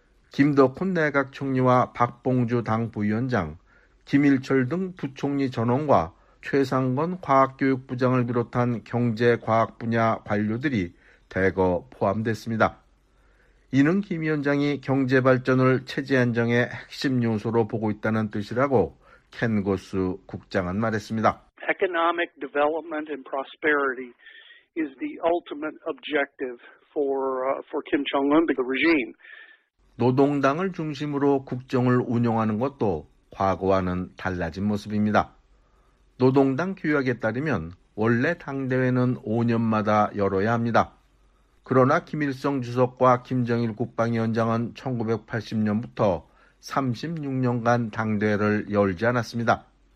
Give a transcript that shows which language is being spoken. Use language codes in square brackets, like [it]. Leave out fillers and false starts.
[ko] 김덕훈 내각 총리와 박봉주 당 부위원장, 김일철 등 부총리 전원과 최상건 과학교육부장을 비롯한 경제과학 분야 관료들이 대거 포함됐습니다. 이는 김 위원장이 경제발전을 체제 안정의 핵심 요소로 보고 있다는 뜻이라고 켄 고스 국장은 말했습니다. [en] Economic development and prosperity is the ultimate objective for Kim Jong-un, the regime. [ko] 노동당을 중심으로 국정을 운영하는 것도 과거와는 달라진 모습입니다. 노동당 규약에 따르면 원래 당대회는 5년마다 열어야 합니다. 그러나 김일성 주석과 김정일 국방위원장은 1980년부터 36년간 당대회를 열지 않았습니다.